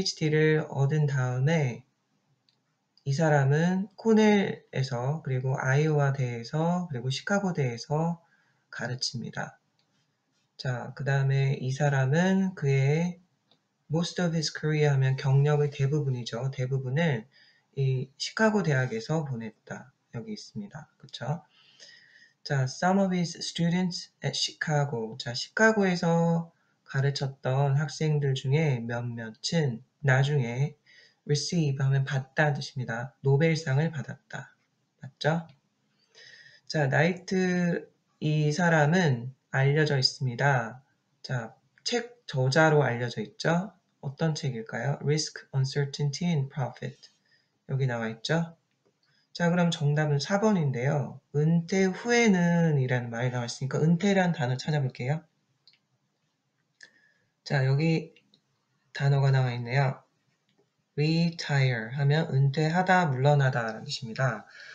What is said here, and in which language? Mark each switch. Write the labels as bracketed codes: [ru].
[ko] PhD를 얻은 다음에 이 사람은 코넬에서 그리고 아이오와 대에서 그리고 시카고 대에서 가르칩니다. 자, 그 다음에 이 사람은 그의 [en] most of his career [ko] 하면 경력의 대부분이죠. 대부분을 이 시카고 대학에서 보냈다. 여기 있습니다. 그렇죠? [en] 자, some of his students at Chicago. [ko] 자, 시카고에서 가르쳤던 학생들 중에 몇몇은 나중에 receive 하면 받다 뜻입니다. 노벨상을 받았다. 맞죠? 자, 나이트 이 사람은 알려져 있습니다. 자, 책 저자로 알려져 있죠? 어떤 책일까요? [en] Risk, Uncertainty and Profit. [ko] 여기 나와 있죠? 자, 그럼 정답은 4번인데요. 은퇴 후에는 이라는 말이 나왔으니까 은퇴란 단어 찾아볼게요. 자, 여기 단어가 나와 있네요. retire 하면 은퇴하다, 물러나다 라는 뜻입니다.